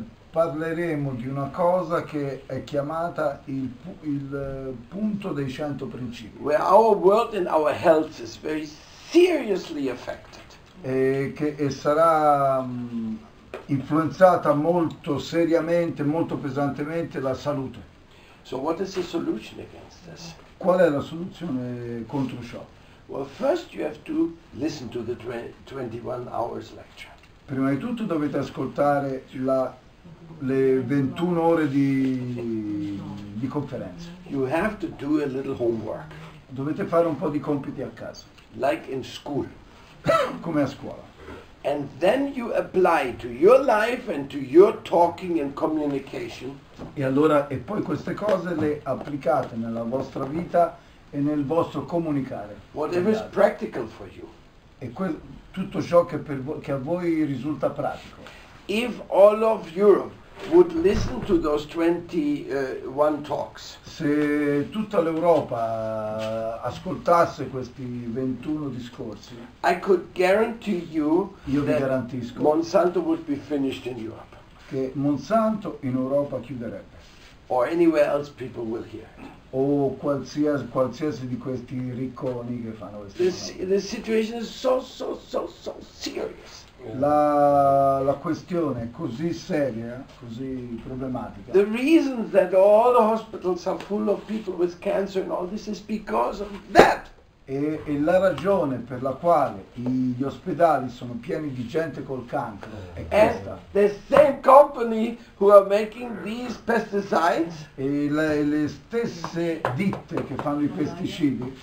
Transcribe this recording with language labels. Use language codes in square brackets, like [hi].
[it] Parleremo di una cosa che è chiamata il punto dei 100 principi. [en] Where our world and our health is very seriously affected. [it] E sarà influenzata molto seriamente, molto pesantemente la salute. [en] So what is the solution against this? [it] Qual è la soluzione contro ciò? [en] Well, first you have to listen to the 21 hours lecture. [it] Prima di tutto dovete ascoltare le 21 ore di conferenza. [en] You have to do a little homework. [it] Dovete fare un po' di compiti a casa. [en] Like in school. [it] Come a scuola. [en] And then you apply to your life and to your talking and communication. [it] E poi queste cose le applicate nella vostra vita e nel vostro comunicare. [en] Whatever is practical for you. [it] Tutto ciò che a voi risulta pratico. [en] If all of Europe would listen to those 21 talks. [it] Se tutta l'Europa ascoltasse questi 21 discorsi. [en] I could guarantee you [it] io vi garantisco [en] that Monsanto would be finished in Europe. [it] Che Monsanto in Europa chiuderebbe. [en] Or anywhere else people will hear. [it] O qualsiasi di questi ricconi che fanno questo. [en] The situation is so serious. [it] La questione è così seria, così problematica. [en] The reason that all the hospitals are full of people with cancer and all this is because of that. [it] E la ragione per la quale gli ospedali sono pieni di gente col cancro è questa. [en] And the same company who are making these pesticides. [it] E le stesse ditte che fanno i pesticidi.